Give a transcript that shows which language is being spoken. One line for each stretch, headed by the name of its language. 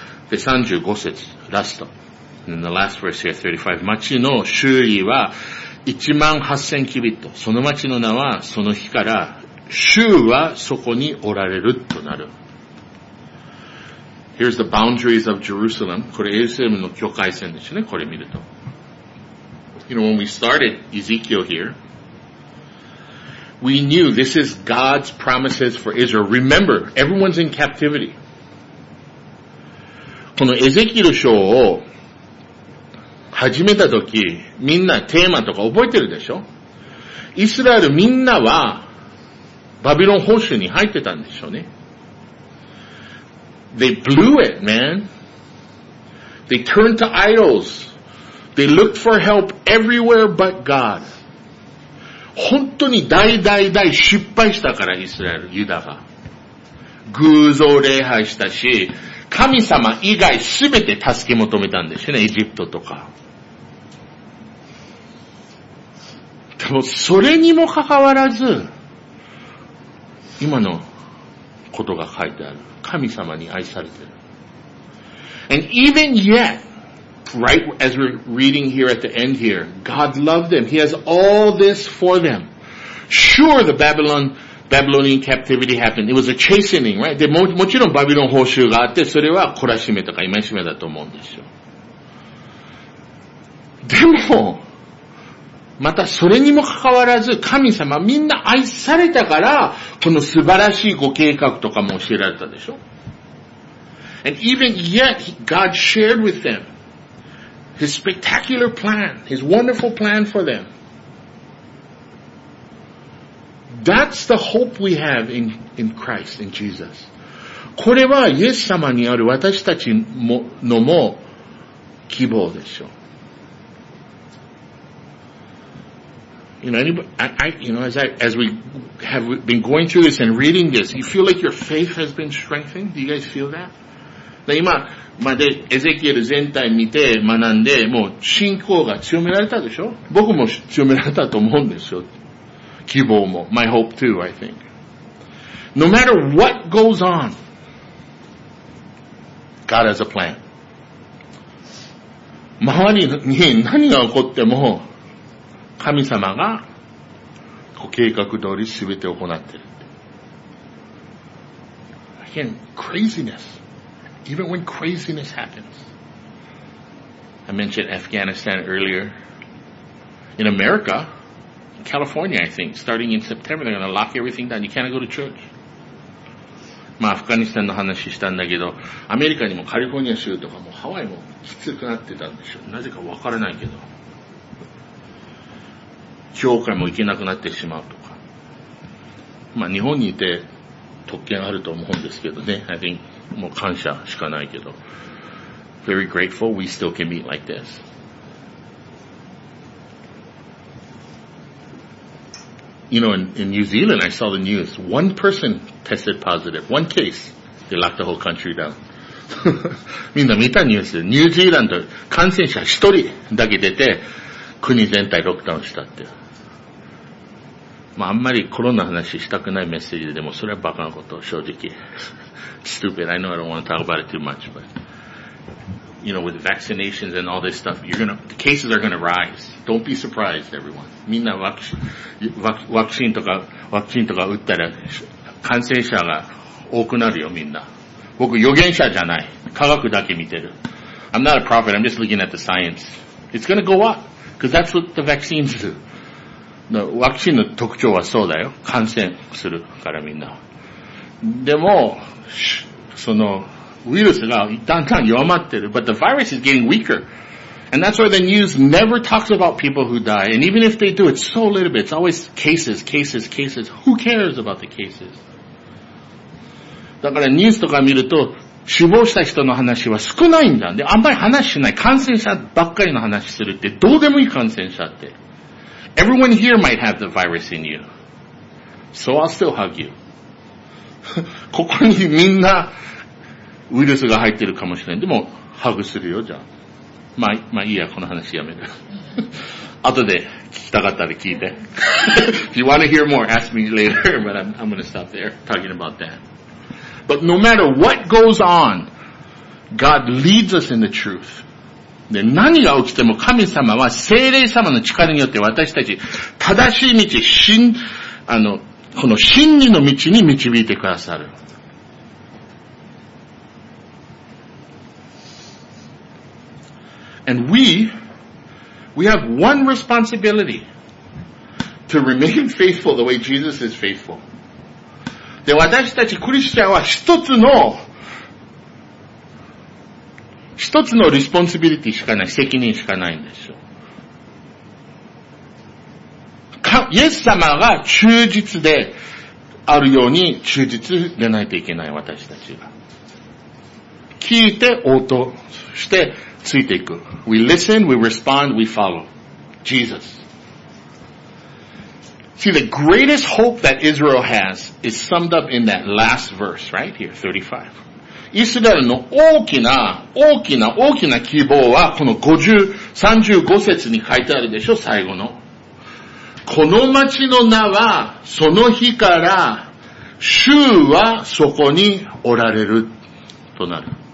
Japanese: で、35節、ラスト。
English: And the last verse here, 35.
Japanese: 町の周囲は18000キュビット。その町の名はその日から、主はそこにおられるとなる。
English: Here's the boundaries of Jerusalem.
Japanese: これエルサレムの境界線ですね。これ見ると。
English: You know, when we started Ezekiel here, we knew this is God's promises for Israel. Remember, everyone's in captivity.
Japanese: このエゼキエル書を始めた時、みんなテーマとか覚えてるでしょ？イスラエルみんなはバビロン捕囚に入ってたんでしょうね。
English: They blew it, man. They turned to idols. They looked for help everywhere but God.
Japanese: 本当に大失敗したから、イスラエル、ユダが。偶像礼拝したし、神様以外すべて助け求めたんですよね、エジプトとか。でも、それにもかかわらず、今のことが書いてある。神様に愛されてる。
English: And even yet, right as we're reading here at the end here, God loved them. He has all this for them. Sure, the Babylonian captivity happened. It was a chastening, right?
Japanese: で、もちろんバビロン捕囚があって、それは懲らしめとか戒めだと思うんですよ。でも、またそれにもかかわらず神様みんな愛されたからこの素晴らしいご計画とかも教えられたでしょ。
English: And even yet God shared with them His spectacular plan, His wonderful plan for them. That's the hope we have in Christ, in Jesus.
Japanese: これはイエス様にある私たちのも希望でしょ。
English: You know, as we have been going through this and reading this, you feel like your faith has been strengthened? Do you guys feel that? Now,
Japanese: 今までエゼキエル全体見て学んで、もう信仰が強められたでしょ？僕も強められたと思うんですよ。希望も。
English: My hope too, I think. No matter what goes on, God has a plan.
Japanese: 周りに何が起こっても、神様がご計画通りすべて行っている。
English: Again, craziness. Even when craziness happens. I mentioned Afghanistan earlier. In America, California, I think, starting in September, they're going to lock everything down. You can't go to church.
Japanese: まあ、アフガニスタンの話したんだけど、アメリカにもカリフォルニア州とかもハワイもきつくなってたんでしょう。なぜかわからないけど。教会も行けなくなってしまうとか。まあ、日本にいて特権あると思うんですけどね。
English: I think
Japanese: もう感謝しかないけど。
English: Very grateful we still can meet like this. You know, in New Zealand, I saw the news. One person tested positive. One case. They locked the whole country down.
Japanese: みんな見たニュース。ニュージーランド、感染者一人だけ出て、国全体ロックダウンしたって。まあ、あんまりコロナ話したくないメッセージで、でもそれはバカなこと、正直。
English: Stupid. I know I don't want to talk about it too much, but you know, with vaccinations and all this stuff, the cases are going to rise. Don't be surprised, everyone.
Japanese: みんなワクチンとか打ったら感染者が多くなるよ、みんな。僕予言者じゃない。科学だけ見てる。
English: I'm not a prophet. I'm just looking at the science. It's going to go up because that's what the vaccines do.
Japanese: ワクチンの特徴はそうだよ。感染するからみんな。でも、その、ウイルスがだんだん弱まってる。
English: But the virus is getting weaker. And that's why the news never talks about people who die. And even if they do, it's so little bit. It's always cases, cases, cases. Who cares about the cases?
Japanese: だからニュースとか見ると、死亡した人の話は少ないんだ。で、あんまり話しない。感染者ばっかりの話するって、どうでもいい感染者って。
English: Everyone here might have the virus in you. So I'll still hug you.
Japanese: ここにみんなウイルスが入ってるかもしれない。でも、ハグするよ、じゃあ。まあ、いいや、この話やめる。後で聞きたかったら聞いて。
English: If you want to hear more, ask me later, but I'm going to stop there talking about that. But no matter what goes on, God leads us in the truth.
Japanese: で何が起きても神様は聖霊様の力によって私たち正しい道、この真理の道に導いてくださる。
English: And we have one responsibility to remain faithful the way Jesus is faithful.
Japanese: で私たちクリスチャンは一つのリスポンシビリティしかない、責任しかないんですよ。イエス様が忠実であるように忠実でないといけない、私たちが。聞いて応答してついていく。
English: We listen, we respond, we follow. Jesus. See, the greatest hope that Israel has is summed up in that last verse, right here, 35.
Japanese: イスラエルの大きな希望はこの35節に書いてあるでしょ、最後の。この町の名はその日から主はそこにおられるとなる。